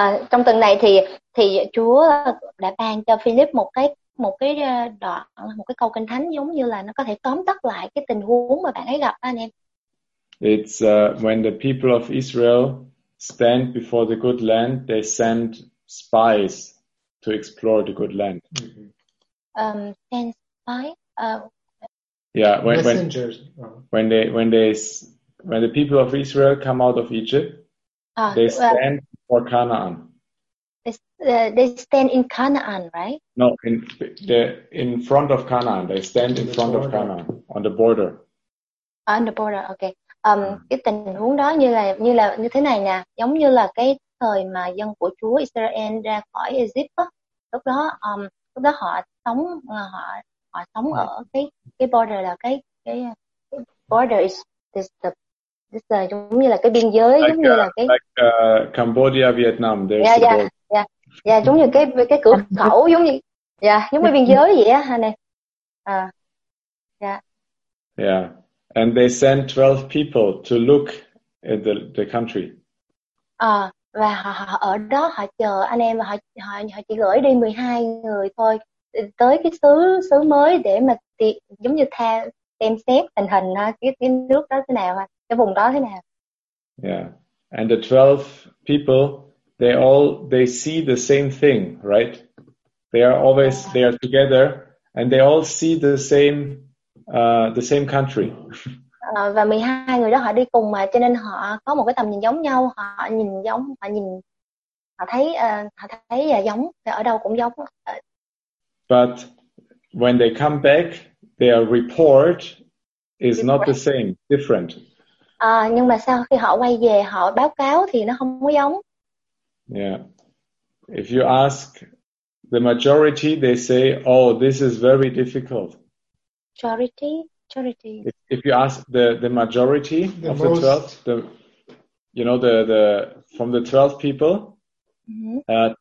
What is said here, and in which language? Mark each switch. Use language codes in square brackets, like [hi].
[vi] Trong tuần này thì Chúa đã ban cho Philip một cái câu kinh thánh giống như là nó có thể tóm tắt lại cái tình huống mà bạn ấy gặp anh em. [en] It's when the people of Israel stand before the good land, they send spies to explore the good land. Mm-hmm. Send spies? Messengers. When the people of Israel come out of Egypt, stand before Canaan. They stand in Canaan, right? No, in front of Canaan. They stand in front of Canaan on the border. On the border, okay. [vi] Cái tình huống đó như là như thế này nè, giống như là cái thời mà dân của Chúa Israel ra khỏi Egypt đó. Lúc đó họ sống ở cái border là cái border is giống như là cái biên giới [en] like, [vi] giống như là cái [en] like, Cambodia, Vietnam. [vi] Giống như cái cửa khẩu giống như biên giới vậy á anh em. [en] And they send 12 people to look at the country. [vi] Và họ ở đó họ chờ anh em và họ chỉ gửi đi 12 người thôi tới cái xứ mới để mà giống như xem xét tình hình cái nước đó thế nào, cái vùng đó thế nào. [en] Yeah. And the 12 people, they see the same thing, right? They are always there together and they all see the same country. [vi] Và 12 người đó họ đi cùng mà cho nên họ có một cái tầm nhìn giống nhau, họ thấy giống, ở đâu cũng giống. [en] But when they come back, their report is not the same, different. [vi] Nhưng mà sau khi họ quay về họ báo cáo thì nó không có giống. [en] Yeah. If you ask the majority, they say, "Oh, this is very difficult." Majority. If you ask the majority of the 12, from the 12 people, mm-hmm.